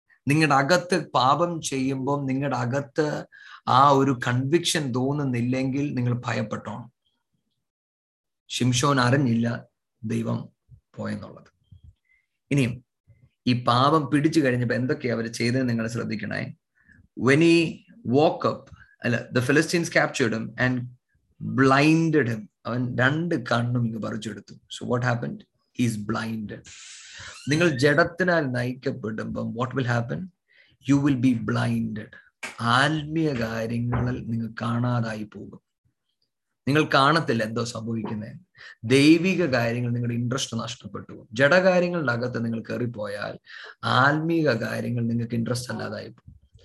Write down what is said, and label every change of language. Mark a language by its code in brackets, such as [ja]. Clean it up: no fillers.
[ml] നിങ്ങളുടെ അകത്ത് പാപം ചെയ്യുമ്പം നിങ്ങളുടെ അകത്ത് ആ ഒരു കൺവിക്ഷൻ തോന്നുന്നില്ലെങ്കിൽ നിങ്ങൾ ഭയപ്പെട്ടോണം. ശിംശോൻ അറിഞ്ഞില്ല ദൈവം പോയെന്നുള്ളത്. ഇനിയും ഈ പാപം പിടിച്ചു കഴിഞ്ഞപ്പോ എന്തൊക്കെയാ അവർ ചെയ്തത് നിങ്ങൾ ശ്രദ്ധിക്കണേ. [en] When he woke up, അല്ല, the Philistines captured him and blinded him. [ml] അവൻ രണ്ട് കണ്ണും ഇങ്ങ് പറിച്ചെടുത്തു. [en] So what happened? He is blinded. [ml] നിങ്ങൾ ജഡത്തിനാൽ നയിക്കപ്പെടുമ്പം [en] what will happen? You will be blinded. [ml] ആത്മീയ കാര്യങ്ങളിൽ നിങ്ങൾ കാണാതായി പോകും. നിങ്ങൾ കാണത്തില്ല എന്തോ സംഭവിക്കുന്നത്. ദൈവിക കാര്യങ്ങൾ നിങ്ങളുടെ ഇൻട്രസ്റ്റ് നഷ്ടപ്പെട്ടു പോകും. ജഡകാര്യങ്ങളുടെ അകത്ത് നിങ്ങൾ കയറിപ്പോയാൽ ആത്മീയ കാര്യങ്ങൾ നിങ്ങൾക്ക് ഇൻട്രസ്റ്റ് അല്ലാതായി പോകും.